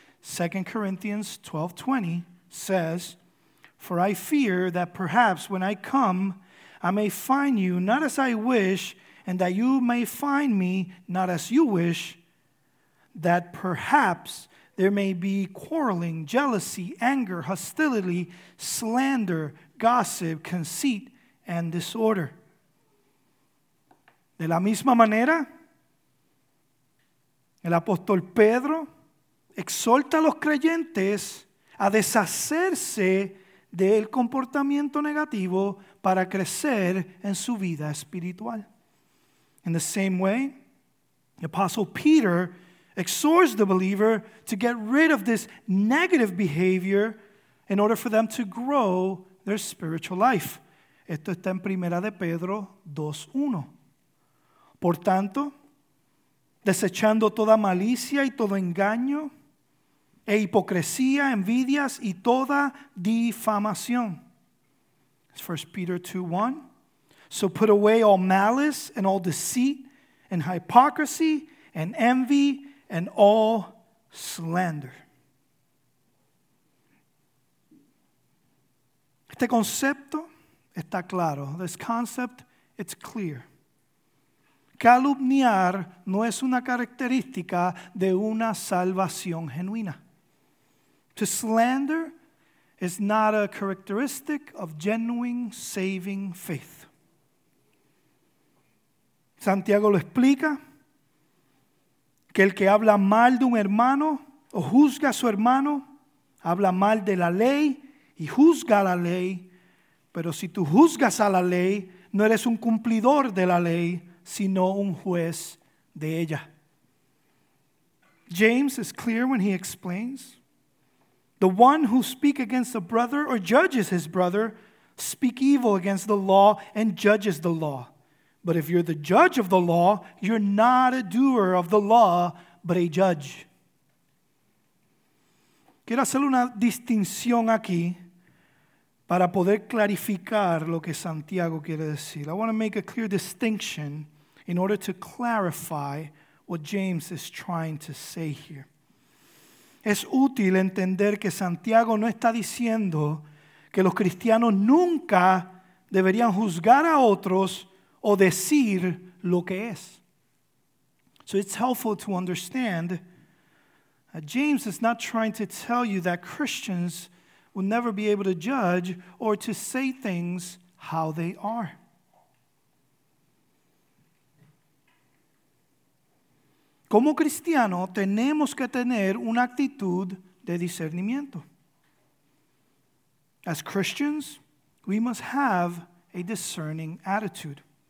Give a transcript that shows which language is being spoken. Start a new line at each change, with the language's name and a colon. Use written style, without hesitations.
English: 2 Corinthians 12:20 says, for I fear that perhaps when I come, I may find you not as I wish, and that you may find me not as you wish, that perhaps there may be quarreling, jealousy, anger, hostility, slander, gossip, conceit, and disorder.
Spanish: De la misma manera, el apóstol Pedro exhorta a los creyentes a deshacerse del comportamiento negativo para crecer en su vida espiritual.
English: In the same way, the apostle Peter exhorts the believer to get rid of this negative behavior in order for them to grow their spiritual life.
Spanish: Esto está en Primera de Pedro 2:1. Por tanto, desechando toda malicia y todo engaño, e hipocresía, envidias y toda difamación.
English: It's 1 Peter 2:1. So put away all malice and all deceit and hypocrisy and envy and all slander.
Spanish: Este concepto está claro.
English: This concept, it's clear.
Spanish: Calumniar no es una característica de una salvación genuina.
English: To slander is not a characteristic of genuine saving faith.
Spanish: Santiago lo explica, que el que habla mal de un hermano o juzga a su hermano, habla mal de la ley y juzga la ley, pero si tú juzgas a la ley, no eres un cumplidor de la ley, sino un juez de ella.
English: James is clear when he explains, the one who speaks against a brother or judges his brother speak evil against the law and judges the law. But if you're the judge of the law, you're not a doer of the law, but a judge.
Spanish: Quiero hacer una distinción aquí para poder clarificar lo que Santiago quiere decir.
English: I want to make a clear distinction in order to clarify what James is trying to say here.
Spanish: Es útil entender que Santiago no está diciendo que los cristianos nunca deberían juzgar a otros o decir lo que es.
English: So it's helpful to understand that James is not trying to tell you that Christians will never be able to judge or to say things how they are.
Spanish: Como cristiano, tenemos que tener una actitud de discernimiento.
English: As Christians, we must have a discerning attitude.